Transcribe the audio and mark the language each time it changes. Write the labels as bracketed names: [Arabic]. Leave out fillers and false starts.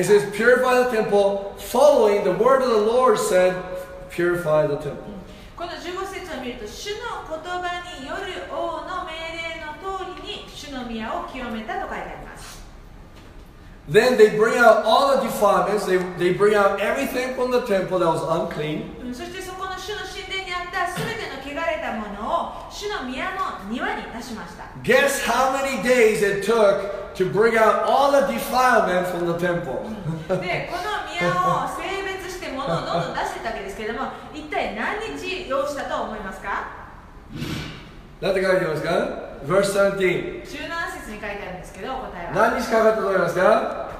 [English] It says, purify the temple, following the word of the Lord said, purify the temple. [Japanese] この15節を見ると、主の言葉による王の命令の通りに主の宮を清めたと書いてあります。 [English] Then they bring out all the defilements, they bring out everything from the temple that was unclean. [Japanese] そしてそこの主の神殿にあったすべての穢れたものを主の宮の庭に出しました。 [English] Guess how many days it took to bring out all the defilement from the temple. [Japanese] この宮を清別して物をどんどん出してたわけですけれども、一体何日要したと思いますか？何て書いてますか？ [English] Verse 17. [Japanese] 17節に書いてあるんですけど、答えは。何日かかったと思いますか？